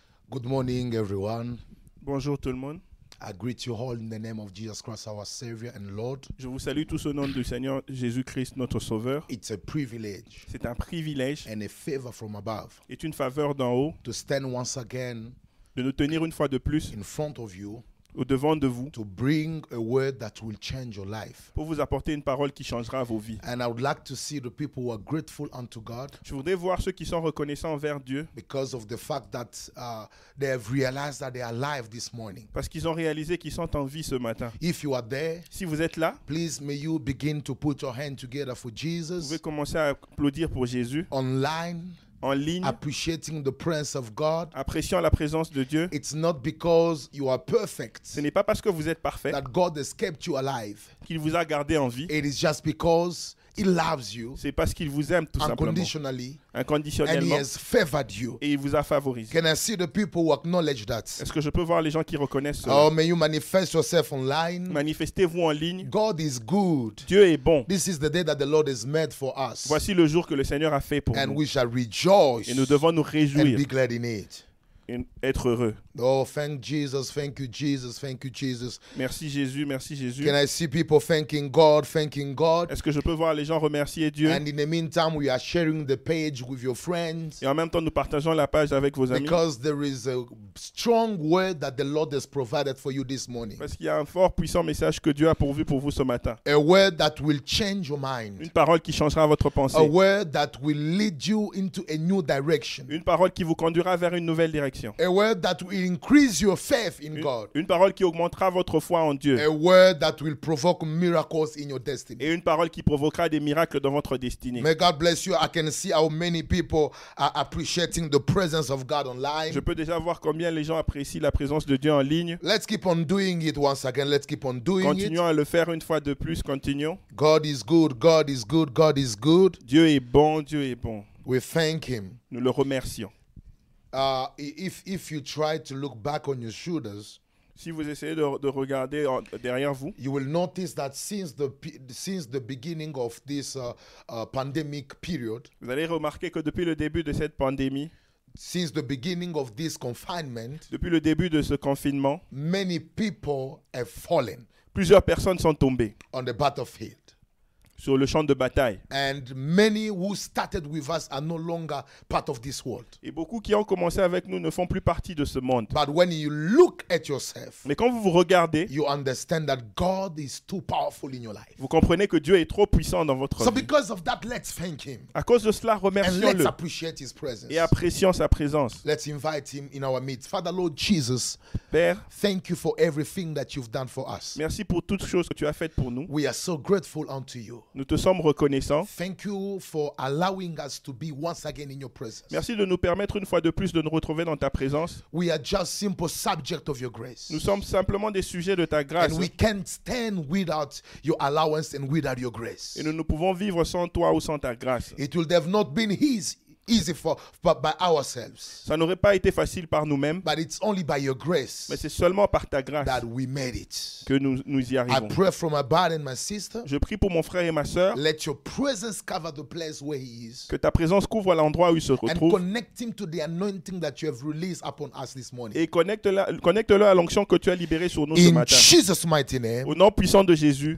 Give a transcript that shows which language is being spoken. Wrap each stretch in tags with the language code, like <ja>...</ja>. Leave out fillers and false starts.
<en>Good morning, everyone.</en> <fr>Bonjour, tout le monde.</fr> <en>I greet you all in the name of Jesus Christ, our Savior and Lord.</en> <fr>Je vous salue tous au nom du Seigneur Jésus-Christ, notre Sauveur.</fr> <en>It's a privilege.</en> <fr>C'est un privilège.</fr> <en>And a favor from above.</en> <fr>Et une faveur d'en haut.</fr> <en>To stand once again.</en> <fr>De nous tenir une fois de plus.</fr> <en>In front of you.</en> <fr>Au devant de vous.</fr> <en>To bring a word that will change your life.</en> <fr>Pour vous apporter une parole qui changera vos vies.</fr> <en>And I would like to see the people who are grateful unto God.</en> <fr>Je voudrais voir ceux qui sont reconnaissants envers Dieu.</fr> <en>Because of the fact that they have realized that they are alive this morning.</en> <fr>Parce qu'ils ont réalisé qu'ils sont en vie ce matin.</fr> <en>If you are there,</en> <fr>si vous êtes là,</fr> <en>please may you begin to put your hand together for Jesus.</en> <fr>Vous pouvez commencer à applaudir pour Jésus.</fr> <en>Online.</en> <fr>En ligne,</fr> <en>appreciating the presence of God,</en> <fr>appréciant la présence de Dieu.</fr> <en>It's not because you are perfect.</en> <fr>Ce n'est pas parce que vous êtes parfait.</fr> <en>That God has kept you alive.</en> <fr>Qu'il vous a gardé en vie.</fr> <en>It is just because He loves you.</en> <fr>C'est parce qu'il vous aime tout</fr> <en>unconditionally,</en> <fr>simplement. Inconditionnellement.</fr> <en>And He has favored you.</en> <fr>Et il vous a favorisé.</fr> <en>Can I see the people who acknowledge that?</en> <fr>Est-ce que je peux voir les gens qui reconnaissent ça?</fr> <en>Oh, may you manifest yourself online.</en> <fr>Manifestez-vous en ligne.</fr> <en>God is good.</en> <fr>Dieu est bon.</fr> <en>This is the day that the Lord has made for us.</en> <fr>Voici le jour que le Seigneur a fait pour</fr> <en>and</en> <fr>nous.</fr> <en>And we shall rejoice.</en> <fr>Et nous devons nous réjouir.</fr> <en>And be glad in it.</en> <fr>Être heureux.</fr> <en>Oh, thank Jesus, thank you Jesus, thank you Jesus.</en> <fr>Merci Jésus.</fr> <en>Can I see people thanking God?</en> <fr>Est-ce que je peux voir les gens remercier Dieu?</fr> <en>And in the meantime, we are sharing the page with your friends.</en> <fr>Et en même temps, nous partageons la page avec vos amis.</fr> <en>Because there is a strong word that the Lord has provided for you this morning.</en> <fr>Parce qu'il y a un fort puissant message que Dieu a pourvu pour vous ce matin.</fr> <en>A word that will change your mind.</en> <fr>Une parole qui changera votre pensée.</fr> <en>A word that will lead you into a new direction.</en> <fr>Une parole qui vous conduira vers une nouvelle direction.</fr> <en>A word that will increase your faith in God.</en> <fr>Une parole qui augmentera votre foi en Dieu.</fr> <en>A word that will provoke miracles in your destiny.</en> <fr>Et une parole qui provoquera des miracles dans votre destinée.</fr> <en>May God bless you. I can see how many people are appreciating the presence of God online.</en> <fr>Je peux déjà voir combien les gens apprécient la présence de Dieu en ligne.</fr> <en>Let's keep on doing it once again. Let's keep on doing</en> <fr>Continuons</fr> <en>it.</en> <fr>Continuons à le faire une fois de plus. Continuons.</fr> <en>God is good. God is good. God is good.</en> <fr>Dieu est bon. Dieu est bon.</fr> <en>We thank Him.</en> <fr>Nous le remercions.</fr> <en>If you try to look back on your shoulders,</en> <fr>si vous essayez de regarder derrière vous,</fr> <en>you will notice that since the beginning of this pandemic period,</en> <fr>vous allez remarquer que depuis le début de cette pandémie,</fr> <en>Since the beginning of this confinement,</en> <fr>depuis le début de ce confinement,</fr> <en>many people have fallen.</en> <fr>Plusieurs personnes sont tombées</fr> <en>on the battlefield.</en> <fr>Sur le champ de bataille.</fr> <en>And many who started with us are no longer part of this world.</en> <fr>Et beaucoup qui ont commencé avec nous ne font plus partie de ce monde.</fr> <en>But when you look at yourself,</en> <fr>mais quand vous vous regardez,</fr> <en>you understand that God is too powerful in your life.</en> <fr>Vous comprenez que Dieu est trop puissant dans votre</fr> <en>so</en> <fr>vie.</fr> <en>Because of that, let's thank him.</en> <fr>À cause de cela, remercions-le.</fr> <en>And let's appreciate his presence.</en> <fr>Et apprécions sa présence.</fr> <en>Let's invite him in our midst. Father Lord Jesus,</en> <fr>Père,</fr> <en>thank you for everything that you've done for us.</en> <fr>Merci pour toutes choses que tu as faites pour nous.</fr> <en>We are so grateful unto you.</en> <fr>Nous te sommes reconnaissants.</fr> <en>Thank you for allowing us to be once again in your presence.</en> <fr>Merci de nous permettre une fois de plus de nous retrouver dans ta présence.</fr> <en>We are just simple subjects of your grace.</en> <fr>Nous sommes simplement des sujets de ta grâce.</fr> <en>And we can't stand without your allowance and without your grace.</en> <fr>Et nous ne pouvons vivre sans toi ou sans ta grâce.</fr> <en>It would have not been easy for but by ourselves.</en> <fr>Ça n'aurait pas été facile par nous-mêmes.</fr> <en>But it's only by your grace.</en> <fr>Mais c'est seulement par ta grâce</fr> <en>that we made it.</en> <fr>Que nous y arrivons.</fr> <en>I pray for my brother and my sister.</en> <fr>Je prie pour mon frère et ma sœur.</fr> <en>Let your presence cover the place where he is.</en> <fr>Que ta présence couvre l'endroit où il se retrouve.</fr> <en>And connect him to the anointing that you have released upon us this morning.</en> <fr>Et connecte-le à l'onction que tu as libérée sur nous ce matin.</fr> <en>In Jesus' mighty name.</en> <fr>Au nom puissant de Jésus.</fr>